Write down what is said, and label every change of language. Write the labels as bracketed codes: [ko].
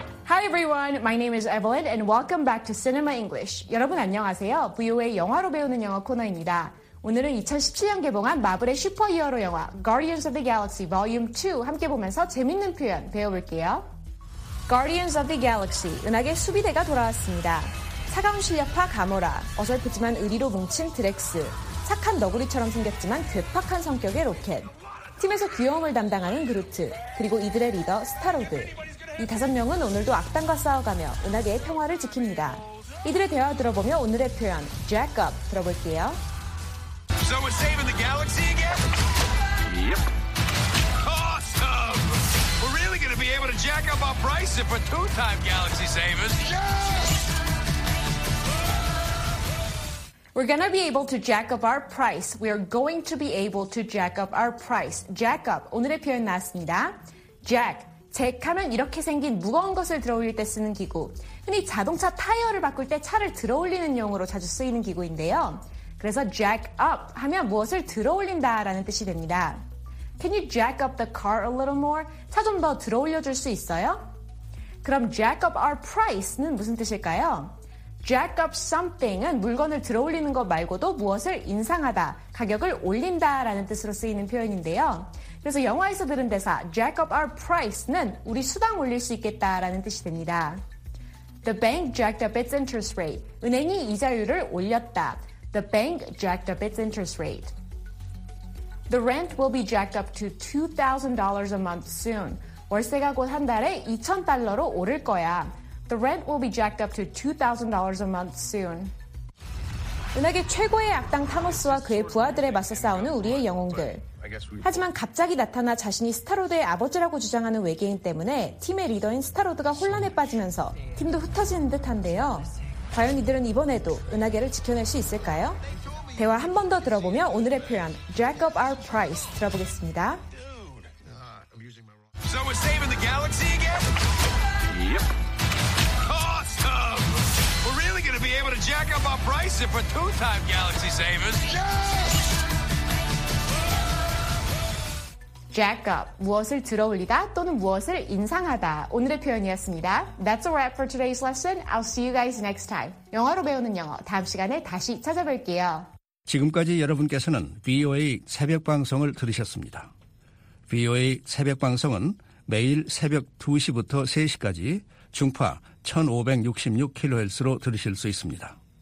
[en] Hi everyone, my name is Evelyn and welcome back to Cinema English. [ko] 여러분 안녕하세요. VOA 영화로 배우는 영어 코너입니다. 오늘은 2017년 개봉한 마블의 슈퍼히어로 영화 Guardians of the Galaxy Volume 2 함께 보면서 재밌는 표현 배워볼게요. Guardians of the Galaxy, 은하계 수비대가 돌아왔습니다. 차가운 실력파 가모라, 어설프지만 의리로 뭉친 드렉스, 착한 너구리처럼 생겼지만 괴팍한 성격의 로켓, 팀에서 귀여움을 담당하는 그루트, 그리고 이들의 리더 스타로드. 이 다섯 명은 오늘도 악당과 싸워가며 은하계의 평화를 지킵니다. 이들의 대화 들어보며 오늘의 표현, Jack Up, 들어볼게요. [en] So we're saving the galaxy again? Yep. Awesome! We're really going to be able to jack up our price if we're two-time galaxy savers. Yes! We're going to be able to jack up our price. We are going to be able to jack up our price. [ko] Jack up, 오늘의 표현 나왔습니다. [en] Jack. [ko] 잭하면 이렇게 생긴 무거운 것을 들어올릴 때 쓰는 기구. 흔히 자동차 타이어를 바꿀 때 차를 들어올리는 용으로 자주 쓰이는 기구인데요. 그래서 jack up 하면 무엇을 들어올린다 라는 뜻이 됩니다. [en] Can you jack up the car a little more? [ko] 차 좀 더 들어올려줄 수 있어요? 그럼 jack up our price는 무슨 뜻일까요? Jack up something은 물건을 들어올리는 것 말고도 무엇을 인상하다, 가격을 올린다 라는 뜻으로 쓰이는 표현인데요. 그래서 영화에서 들은 대사 Jack up our price는 우리 수당 올릴 수 있겠다 라는 뜻이 됩니다. [en] The bank jacked up its interest rate. [ko] 은행이 이자율을 올렸다. [en] The bank jacked up its interest rate. The rent will be jacked up to $2,000 a month soon. [ko] 월세가 곧 한 달에 $2,000로 오를 거야. [en] The rent will be jacked up to $2,000 a month soon. [ko] 은하계 최고의 악당 타노스와 그의 부하들에 맞서 싸우는 우리의 영웅들. 하지만 갑자기 나타나 자신이 스타로드의 아버지라고 주장하는 외계인 때문에 팀의 리더인 스타로드가 혼란에 빠지면서 팀도 흩어지는 듯한데요. 과연 이들은 이번에도 은하계를 지켜낼 수 있을까요? 대화 한 번 더 들어보며 오늘의 표현 Jack up our price 들어보겠습니다. [en] So we're saving the galaxy again? Yep. Awesome! We're really going to be able to jack up our price if we're two-time galaxy savers. Yes! [ko] Jack up, 무엇을 들어올리다 또는 무엇을 인상하다. 오늘의 표현이었습니다. [en] That's a wrap for today's lesson. I'll see you guys next time. [ko] 영어로 배우는 영어, 다음 시간에 다시 찾아뵐게요. 지금까지 여러분께서는 VOA 새벽 방송을 들으셨습니다. VOA 새벽 방송은 매일 새벽 2시부터 3시까지 중파 1566kHz로 들으실 수 있습니다.